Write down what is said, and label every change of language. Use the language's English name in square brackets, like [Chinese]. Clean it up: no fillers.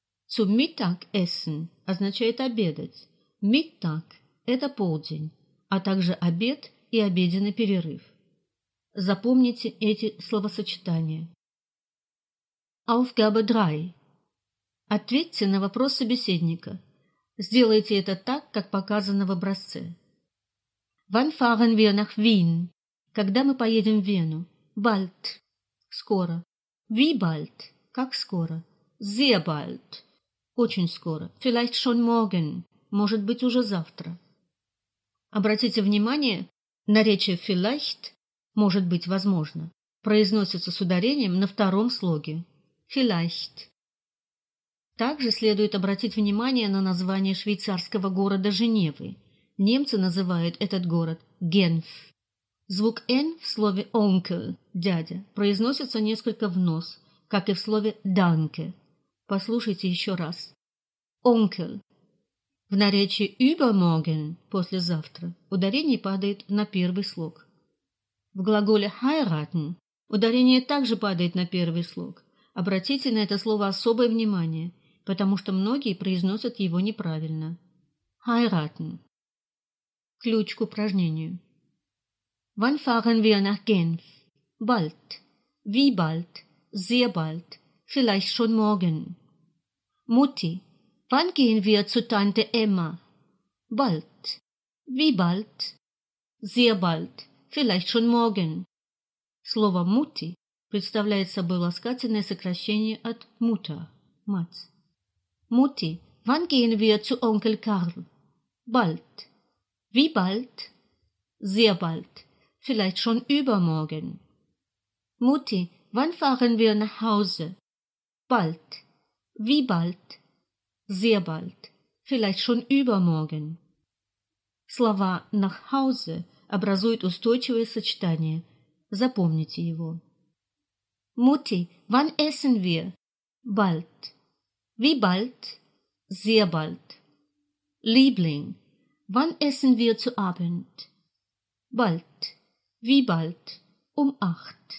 [Russian] «Zum Mittagessen» означает «обедать». «Mittag» – это полдень, а также обед и обеденный перерыв. Запомните эти словосочетания. [German] Aufgabe 3. [Russian] Ответьте на вопрос собеседника. Сделайте это так, как показано в образце. [German] «Wann fahren wir nach Wien?» [Russian] «Когда мы поедем в Вену?» «Bald» – «скоро». [German] «Wie bald?» [Russian] – «Как скоро?» [German] «Sehr bald». [Russian] Очень скоро. [German] Vielleicht schon morgen. [Russian] Может быть, уже завтра. Обратите внимание, наречие vielleicht, может быть, возможно, произносится с ударением на втором слоге. [German] Vielleicht. [Russian] Также следует обратить внимание на название швейцарского города Женевы. Немцы называют этот город Генф. Звук N в слове Onkel, дядя, произносится несколько в нос, как и в слове Danke. Послушайте еще раз. Onkel. В наречии übermorgen, послезавтра, ударение падает на первый слог. В глаголе «heiraten» ударение также падает на первый слог. Обратите на это слово особое внимание, потому что многие произносят его неправильно. «Heiraten». Ключ к упражнению. [German] «Wann fahren wir nach Genf?» «Bald». «Wie bald?» «Sehr bald». «Vielleicht schon morgen». «Mutti, wann gehen wir zu Tante Emma?» «Bald». «Wie bald?» «Sehr bald. Vielleicht schon morgen». [Russian] Слово «Mutti» представляет собой ласкательное сокращение от «Mutter» – «Мать». [German] «Mutti, wann gehen wir zu Onkel Karl?» «Bald». «Wie bald?» «Sehr bald. Vielleicht schon übermorgen». «Mutti, wann fahren wir nach Hause?» «Bald». «Wie bald?» «Sehr bald. Vielleicht schon übermorgen». [Russian] Слова «nach Hause» образуют устойчивое сочетание. Запомните его. [German] «Mutti, wann essen wir?» «Bald». «Wie bald?» «Sehr bald». «Liebling, wann essen wir zu Abend?» «Bald». «Wie bald?» «Um 8».